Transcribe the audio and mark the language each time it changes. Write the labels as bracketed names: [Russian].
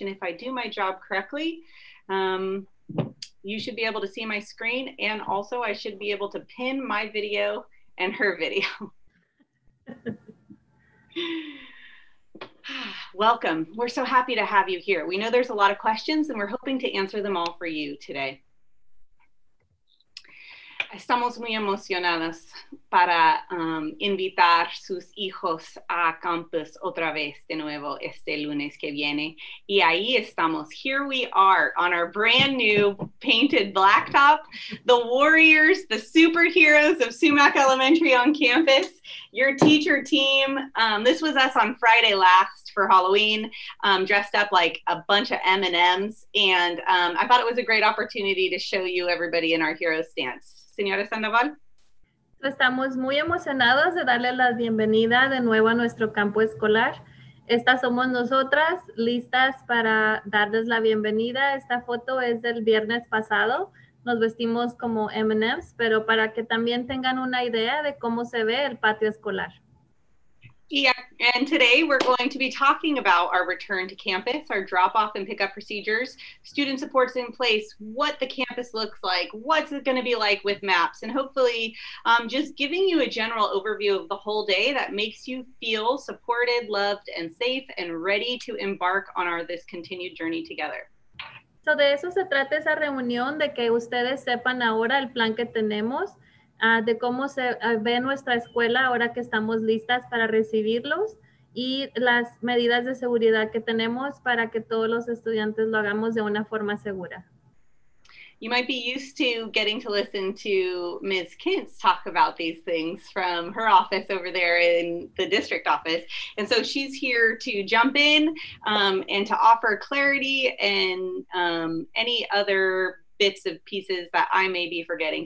[English] And if I do my job correctly, you should be able to see my screen, and also I should be able to pin my video and her video. Welcome. We're so happy to have you here. We know there's a lot of questions, and we're hoping to answer them all for you today. [Spanish] Estamos muy emocionados para invitar sus hijos a campus otra vez de nuevo este lunes que viene. Y ahí estamos. [English] Here we are on our brand new painted blacktop. The warriors, the superheroes of Sumac Elementary on campus. Your teacher team. This was us on Friday last for Halloween, dressed up like a bunch of M&Ms. And I thought it was a great opportunity to show you everybody in our hero stance. [Spanish] Señora Sandoval. Estamos muy emocionados de darle la bienvenida de nuevo a nuestro campo escolar. Estas somos nosotras, listas para darles la bienvenida. Esta foto es del viernes pasado. Nos vestimos como M&M's, pero para que también tengan una idea de cómo se ve el patio escolar. [English] Yeah, and today we're going to be talking about our return to campus, our drop-off and pick-up procedures, student supports in place, what the campus looks like, what's it going to be like with maps, and hopefully just giving you a general overview of the whole day that makes you feel supported, loved, and safe, and ready to embark on our this continued journey together. [Spanish] So de eso se trata esa reunión, de que ustedes sepan ahora el plan que tenemos. De cómo se ve nuestra escuela ahora que estamos listas para recibirlos y las medidas de seguridad que tenemos para que todos los estudiantes lo hagamos de una forma segura. [English] You might be used to getting to listen to Ms. Kintz talk about these things from her office over there in the district office. And so she's here to jump in and to offer clarity and any other bits of pieces that I may be forgetting.